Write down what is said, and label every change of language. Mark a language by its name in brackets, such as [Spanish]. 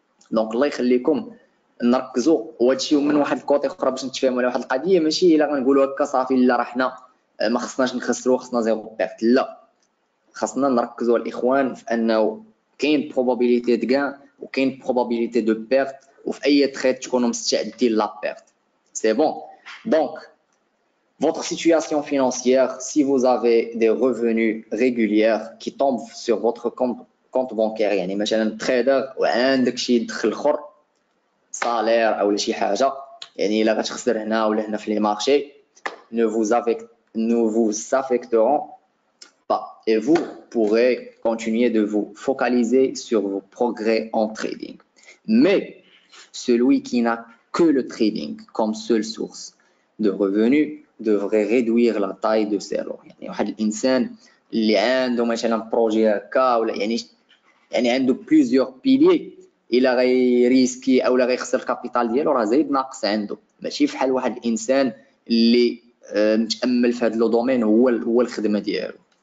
[Arabic] دونك الله يخليكم، نركزوا وهادشي من واحد الكوتي اخرى باش نتفاهموا على واحد القضيه، ماشي الا غنقولوا هكا صافي لا راه حنا ما خصناش نخسروا، خصنا زيرو بيرت، لا، خصنا نركزوا الاخوان في انه كاين بروبابيليتي دو غان وكاين بروبابيليتي دو بيرت، وفي اي تريد تكونوا مستعدين لا بيرت. [French] سي بون، دونك votre situation financière, si vous avez des revenus réguliers qui tombent sur votre compte bancaire, [Arabic] يعني مثلا trader وعندك شي دخل اخر salaire او شي حاجه، يعني الا غتخسر هنا ولا هنا في لي مارشي، [French] ne vous affecteront pas et vous pourrez continuer de vous focaliser sur vos progrès en trading. Mais celui qui n'a que le trading comme seule source de revenus devrait réduire la taille de ses lots. [Arabic] يعني واحد الانسان اللي عنده مثلا بروجي هكا، ولا يعني عنده بليزيور بيلي، الا غيريسكي او لا غيخسر الكابيتال ديالو راه زايد ناقص عنده، ماشي فحال واحد الانسان اللي متامل في هذا لو دومين هو الخدمه ديالو.